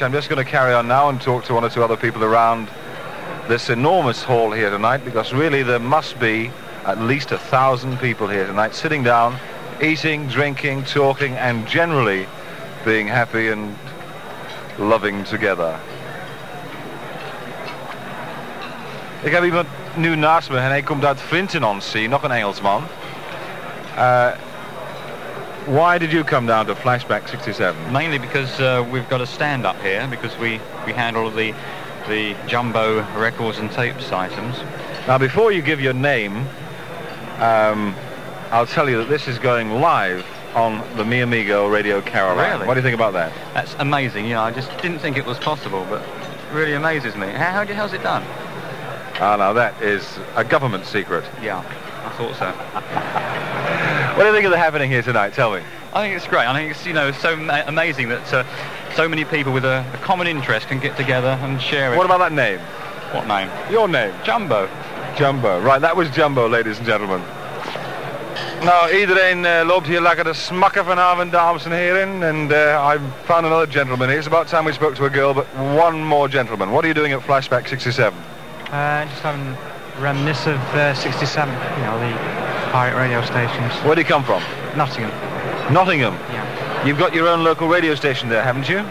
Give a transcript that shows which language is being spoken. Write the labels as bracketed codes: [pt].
[en] I'm just going to carry on now and talk to one or two other people around this enormous hall here tonight, because really there must be at least 1,000 people here tonight sitting down, eating, drinking, talking, and generally being happy and loving together. [nl] Ik heb iemand nu naast me en hij komt uit Flinton-on-Sea, nog een Engelsman. [en] Why did you come down to Flashback 67? Mainly because we've got a stand up here, because we handle the jumbo records and tapes items. Now, before you give your name, I'll tell you that this is going live on the Mi Amigo Radio Caroline. Really? What do you think about that? That's amazing. Yeah, I just didn't think it was possible, but it really amazes me. How's it done? Ah, now that is a government secret. Yeah, I thought so. What do you think of the happening here tonight? Tell me. I think it's great. I think it's, you know, so amazing that so many people with a common interest can get together and share it. What about that name? What name? Your name. Jumbo. Jumbo. Right, that was Jumbo, ladies and gentlemen. [nl] Nou, iedereen loopt hier lekker te smakken vanavond, dames en heren. [en] And I found another gentleman. It's about time we spoke to a girl, but one more gentleman. What are you doing at Flashback 67? Just having reminisce of 67, you know, the pirate radio stations. Where do you come from? Nottingham. Nottingham? Yeah. You've got your own local radio station there, haven't you?